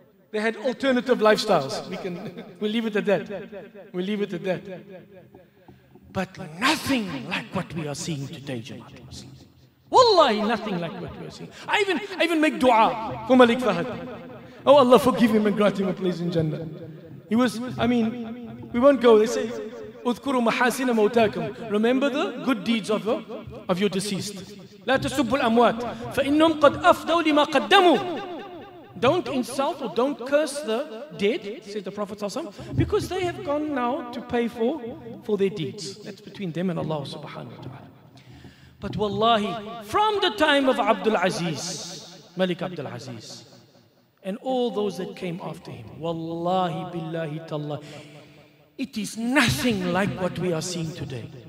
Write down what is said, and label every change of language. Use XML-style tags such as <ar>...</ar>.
<en>They had alternative lifestyles. We'll leave it at that. We'll leave it at that. But nothing like what we are seeing today, Jamaat Muslims. Wallahi, nothing like what we are seeing. I even make dua for Malik Fahad. Oh Allah, forgive him and grant him a place in Jannah. He was, I mean, we won't go. They say,</en> <ar>اذكروا محاسن موتاكم.</ar> <en>Remember the good deeds of your deceased.</en> <ar>لا تسبوا الأموات فإنهم قد أفضوا لما قدموا.</ar> <en>Don't insult or don't curse the dead, says the Prophet ﷺ, because they have gone now to pay for their deeds. That's between them and Allah subhanahu wa ta'ala. But wallahi, from the time of Abdul Aziz, Malik Abdul Aziz, and all those that came after him, wallahi billahi tallah, it is nothing like what we are seeing today.</en>